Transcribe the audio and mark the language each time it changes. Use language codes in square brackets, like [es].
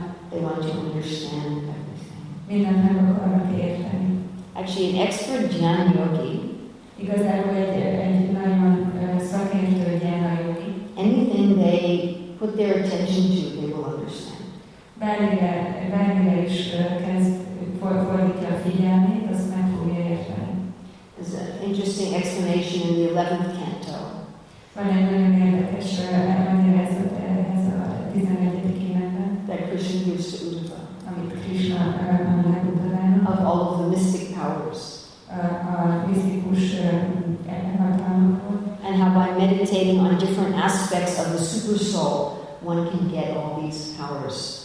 [en] They want to understand everything. Actually, an expert Jnana yogi, anything they put their attention to, they will understand. [hu] Bármire is fordítja a figyelmét, azt meg fogja érteni. [en] There's an interesting explanation in the 11th canto. [hu] Van egy nagyon érdekes magyarázat ehhez a 11. énekben. [en] That Krishna gives to Uddhava. [hu] Amit Krishna mondanak Uddhavának. [en] Of all of the mystic powers. [hu] A misztikus hatalmakról. [en] And how by meditating on different aspects of the super soul, one can get all these powers.